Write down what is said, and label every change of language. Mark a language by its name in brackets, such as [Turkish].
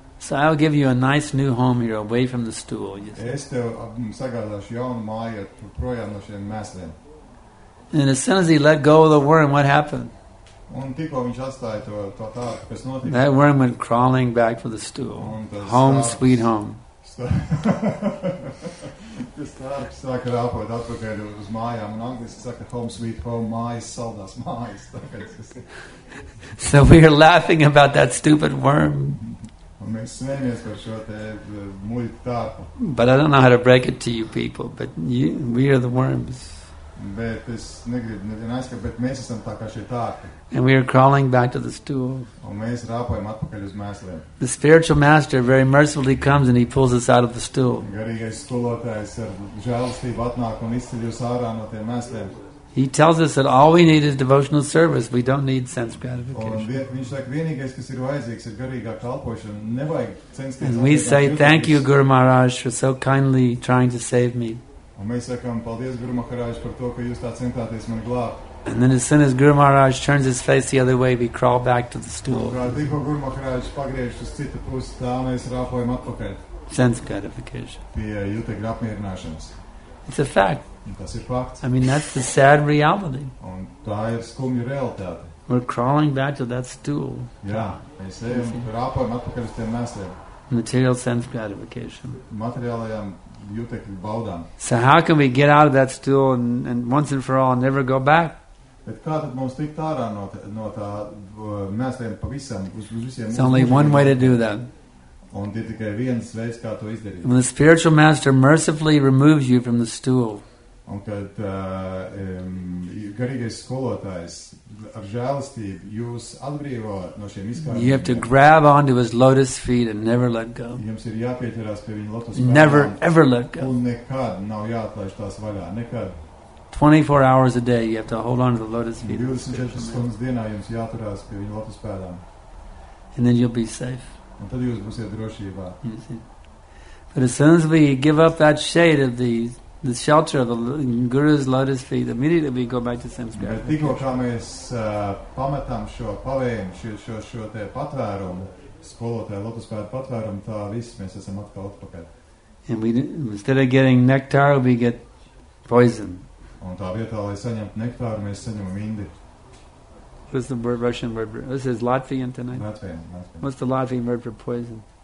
[English] So I'll give you a nice new home here, away from the stool. And as soon as he let go of the worm, what happened? That worm went crawling back for the stool. Home, sweet home. [Latvian] Saka rāpot atpakaļ uz mājām, un angliski saka [English] home sweet home, [Latvian] mājas, saldās mājas. [English] So we are laughing about that stupid worm. [Latvian] Un mēs smējamies par šo te muļu tāpu. [English] But I don't know how to break it to you people, but we are the worms. [Latvian] Bet es negribu nevien aizskat, bet mēs esam tā kā šie tārti. [English] And we are crawling back to the stool. [Latvian] Un mēs rāpojam atpakaļ uz mēsliem. [English] The spiritual master very mercifully comes and he pulls us out of the stool. [Latvian] Garīgais skolotājs ar žēlstību atnāk un izceļ jūs ārā no tiem mēsliem. [English] He tells us that all we need is devotional service. We don't need sense gratification. [Latvian] Viņš saka, vienīgais, kas ir vajadzīgs, ir garīgā kalpošana. Nevajag censties. [English] And we say, thank you, Guru Maharaj, for so kindly trying to save me. [Latvian] Un mēs sakām, paldies, Guru Maharaj, par to, ka jūs tā centāties mani glābt. [English] And then as soon as Guru Maharaj turns his face the other way, we crawl back to the stool. [Latvian] Guru Maharaj pagriež uz citu pusi, tā mēs rāpojam atpakaļ. [English] Sense gratification. [Latvian] Pie jūtekļa apmierināšanas. [English] It's a fact. [Latvian] Tas ir fakts. [English] I mean, that's the sad reality. [Latvian] Un tā ir skumja realitāte. [English] We're crawling back to that stool. [Latvian] Jā, mēs ejam, rāpojam atpakaļ uz tiem mēsliem. [English] Material sense gratification. [Latvian] Materiālajām jūtekļu baudām. [English] So how can we get out of that stool and once and for all never go back? [Latvian] Bet kā tad mums tikt ārā no tā mēsliem pavisam uz visiem? [English] It's only one way to do that. [Latvian] Un ir tikai viens veids, kā to izdarīt. [English] When the spiritual master mercifully removes you from the stool. [Latvian] Un kad garīgais skolotājs ar žēlistību jūs atbrīvo no šiem izkārījumiem. [English] You have to grab onto his lotus feet and never let go. [Latvian] Jums ir jāpieķerās pie viņa lotus [English] feet. Never, ever let go. [Latvian] Un nekad nav jāatlaiž tās vaļā, nekad. [English] 24 hours a day you have to hold on to the lotus feet. [Latvian] 24 stundas dienā jums jāturās pie viņa lotus pēdām. [English] And then you'll be safe. [Latvian] Un tad jūs būsiet drošībā. [English] But as soon as we give up that shade of the shelter of the Guru's lotus feet, immediately we go back to sense gratification. [Latvian] Bet tikko kā mēs pametam šo pavējumu, šo te patvērumu, skolotāju lotus pēdu patvērumu, tā viss mēs esam atpakaļ. [English] And instead of getting nectar, we get poison. [Latvian] Un tā vietā, lai saņemtu nektāru, mēs saņemam indi. [English] What's the word, Russian word? This is Latvian tonight. Latvian. What's the Latvian word for poison?